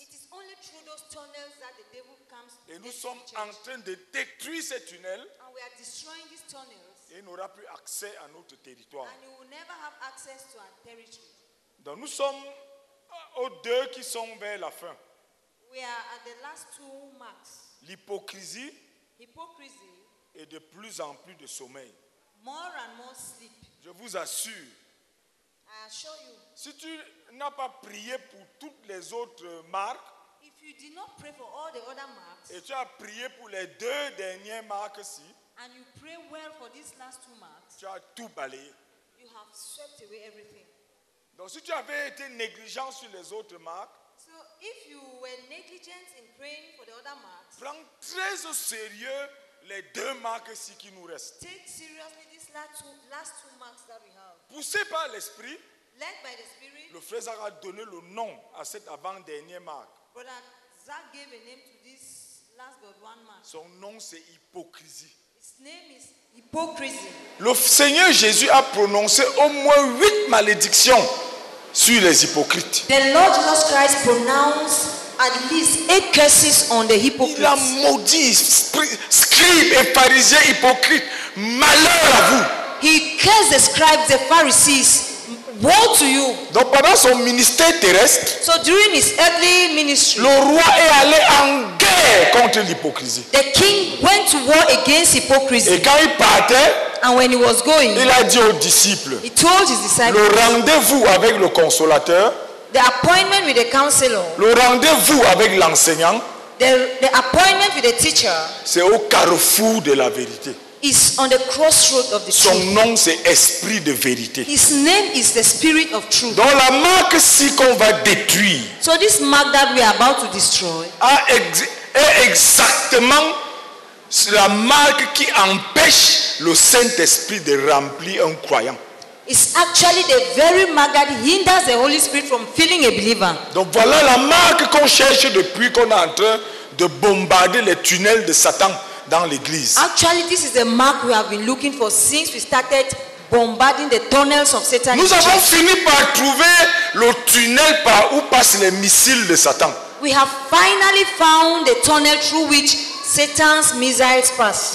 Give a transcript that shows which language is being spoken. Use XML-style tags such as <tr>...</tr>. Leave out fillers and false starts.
<en>It is only through those tunnels that the devil comes.</en> <fr>Et nous sommes en train de détruire ces tunnels.</fr> <en>And we are destroying these tunnels.</en> <fr>Et n'aura plus accès à notre territoire.</fr> <en>And you will never have access to our territory.</en> <fr>Donc nous sommes aux deux qui sont vers la fin.</fr> <en>We are at the last two marks.</en> <fr>L'hypocrisie.</fr> <en>Hypocrisy.</en> <fr>Et de plus en plus de sommeil.</fr> <en>More and more sleep.</en> <fr>Je vous assure.</fr> <en>I assure you.</en> <fr>Si tu n'as pas prié pour toutes les autres marques.</fr> <en>If you did not pray for all the other marks.</en> <fr>Et tu as prié pour les deux dernières marques-ci.</fr> <en>And you pray well for these last two marks.</en> <fr>Tu as tout balayé.</fr> <en>You have swept away everything.</en> <fr>Donc si tu avais été négligent sur les autres marques.</fr> <en>So if you were negligent in praying for the other marks.</en> <fr>Prends très au sérieux les deux marques ici qui nous restent.</fr> <en>Take seriously these last two marks that we have.</en> <fr>Poussé par l'esprit.</fr> <en>Led by the spirit.</en> <fr>Le frère Zach a donné le nom à cette avant-dernière marque.</fr> <en>Brother Zach gave a name to this last but one mark.</en> <fr>Son nom c'est hypocrisie.</fr> <en>His name is hypocrisy.</en> <fr>Le Seigneur Jésus a prononcé au moins 8 malédictions sur les hypocrites.</fr> <en>The Lord Jesus Christ pronounced at least 8 curses on the hypocrites.</en> <fr>Il a maudit scribes et pharisiens hypocrites. Malheur à vous.</fr> <en>He cursed the scribes, the Pharisees. Woe to you.</en> <fr>Donc pendant son ministère terrestre,</fr> <en>so during his earthly ministry,</en> <fr>le roi est allé en guerre contre l'hypocrisie.</fr> <en>The king went to war against hypocrisy.</en> <fr>Et quand il partait,</fr> <en>And when he was going,</en> <fr>il a dit aux disciples,</fr> <en>he told his disciples,</en> <fr>le rendez-vous avec le consolateur,</fr> <en>the appointment with the counselor,</en> <fr>le rendez-vous avec l'enseignant,</fr> <en>the appointment with the teacher,</en> <fr>c'est au carrefour de la vérité.</fr> <en>Is on the crossroad of the truth.</en> <fr>Son nom, c'est Esprit de vérité.</fr> <en>His name is the Spirit of Truth.</en> <fr>Donc la marque ci qu'on va détruire.</fr> <en>So this mark that we are about to destroy.</en> <fr>Est exactement la marque qui empêche le Saint-Esprit de remplir un croyant.</fr> <en>It's actually the very mark that hinders the Holy Spirit from filling a believer.</en> <fr>Donc voilà la marque qu'on cherche depuis qu'on est en train de bombarder les tunnels de Satan. Dans l'église.</fr> <en>Actually, this is the mark we have been looking for since we started bombarding the tunnels of Satan.</en> <fr>Nous avons fini par trouver le tunnel par où passent les missiles de Satan.</fr> <en>We have finally found the tunnel through which Satan's missiles pass.</en>